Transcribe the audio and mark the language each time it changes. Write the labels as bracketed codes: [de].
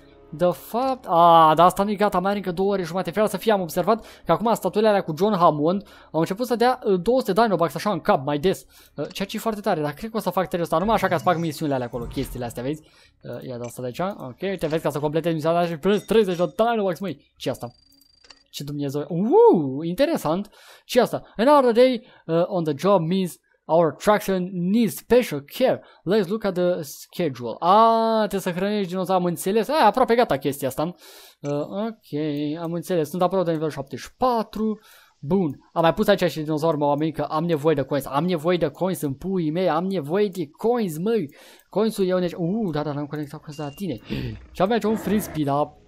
[ro] De fapt, dar asta nu e gata, mai are încă 2 ore jumate. Fie să fie, am observat că acum statuile alea cu John Hammond au început să dea 200 Dinobucks așa în cap, mai des. Ceea ce e foarte tare, dar cred că o să fac trade-ul ăsta, numai așa ca să fac misiunile alea acolo, chestiile astea, vezi? Ia de asta de aici, ok, te vezi ca să completezi misiunile alea și plus 30 de Dinobucks, măi, ce asta? Ce Dumnezeu, interesant, ce asta? [en] Another day on the job means... Our attraction needs special care. Let's look at the schedule. [ro] Trebuie să hrănești dinozaur, am înțeles. Aproape gata chestia asta. Ok, am înțeles. Sunt aproape de nivel 74. Bun. Am mai pus aici și dinozaur, mă, oameni, că am nevoie de coins. Am nevoie de coins în puii mei. Am nevoie de coins, măi. Coinsul e unde... dar am conectat cu asta la tine. Și avem aici un frisbee, da?